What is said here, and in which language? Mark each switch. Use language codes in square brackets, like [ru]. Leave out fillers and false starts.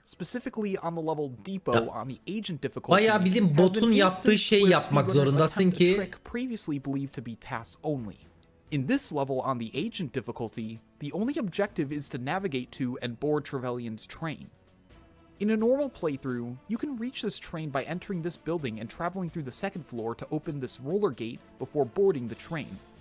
[en] Specifically on the level Depot [tr] ya, [en] on the agent difficulty. [tr] Bayağı bildiğin botun yaptığı şeyi yapmak zorundasın ki. [en] Trick previously believed to be task only. In this level on the agent difficulty, the only objective is to navigate to and board Trevelyan's train. In a normal playthrough, you can reach this train by entering this building and traveling through the second floor to open this roller gate before boarding the train.